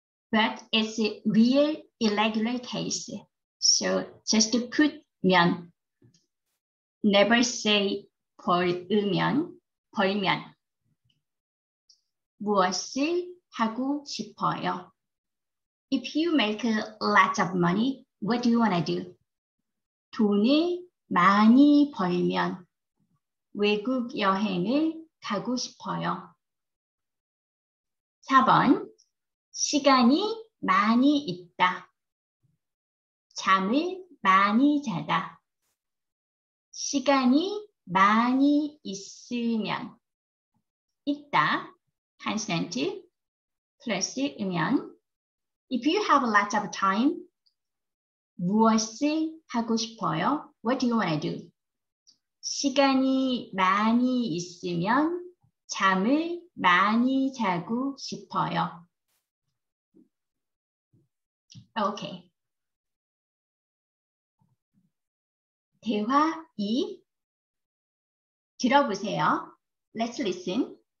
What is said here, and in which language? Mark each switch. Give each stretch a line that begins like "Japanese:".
English: But it's a real irregular case. So just put 면. Never say 벌으면.
Korean: 벌면. 무엇을 하고 싶어요?
English: If you make lots of money, what do you want to do?
Korean: 돈을 많이 벌면 외국 여행을 가고 싶어요. 4번, 시간이 많이 있다. 잠을 많이 자다. 시간이 많이 있으면 있다.
English: Consonant, plus 이면. If you have a lot of time,
Korean: 무엇을 하고 싶어요?
English: What do you want to do?
Korean: 시간이 많이 있으면 잠을 많이 자고 싶어요.
English: Okay.
Korean: 대화 2. 들어보세요.
English: Let's listen.